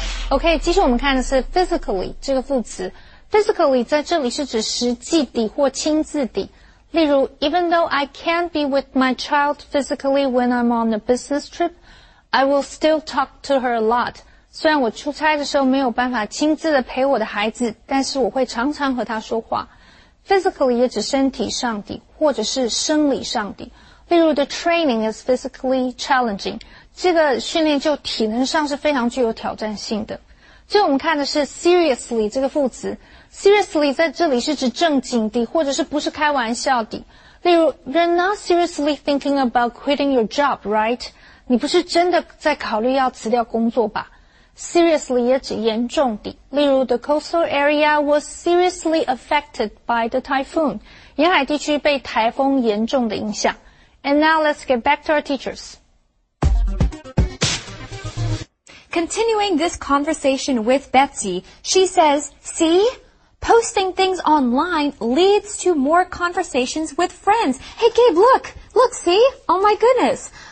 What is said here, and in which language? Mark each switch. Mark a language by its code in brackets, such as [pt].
[zh] Okay, 其实我们看的是 physically 这个副词。Physically 在这里是指实际地或亲自地。例如 [en] even though I can't be with my child physically when I'm on a business trip, I will still talk to her a lot. [zh] 虽然我出差的时候没有办法亲自的陪我的孩子，但是我会常常和她说话。 Physically 也指身体上的，或者是生理上的。例如 [en] the training is physically challenging. [zh] 这个训练就体能上是非常具有挑战性的。最后我们看的是 seriously 这个副词。 Seriously 在这里是指正经的或者是不是开玩笑的。例如 [en] You're not seriously thinking about quitting your job, right? [zh] 你不是真的在考虑要辞掉工作吧。 Seriously 也指严重的。例如 [en] The coastal area was seriously affected by the typhoon. [zh] 沿海地区被台风严重的影响。 [en] And now let's get back to our teachers. Continuing this conversation with Betsy, she says, See, posting things online leads to more conversations with friends. Hey, Gabe, look. Look, see. Oh, my goodness.